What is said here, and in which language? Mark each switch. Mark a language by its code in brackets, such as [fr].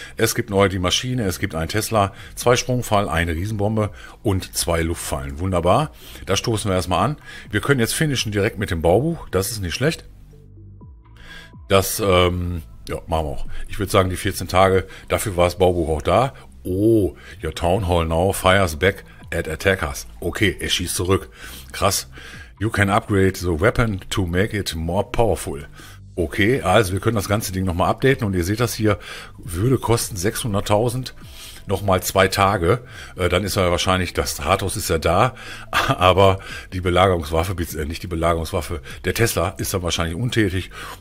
[de] Es gibt neu die Maschine, es gibt einen Tesla, zwei Sprungfall, eine Riesenbombe und zwei Luftfallen. Wunderbar. Da stoßen wir erstmal an. Wir können jetzt finishen direkt mit dem Baubuch. Das ist nicht schlecht. Das, ja, machen wir auch. Ich würde sagen, die 14 Tage, dafür war das Baubuch auch da. [en] Oh, your town hall now fires back at attackers. [de] Okay, er schießt zurück. Krass. [en] You can upgrade the weapon to make it more powerful. [de] Okay, also wir können das ganze Ding nochmal updaten und ihr seht das hier, würde kosten 600.000 nochmal zwei Tage. Dann ist ja wahrscheinlich, das Rathaus ist ja da, aber die Belagerungswaffe, nicht die Belagerungswaffe, der Tesla ist dann wahrscheinlich untätig.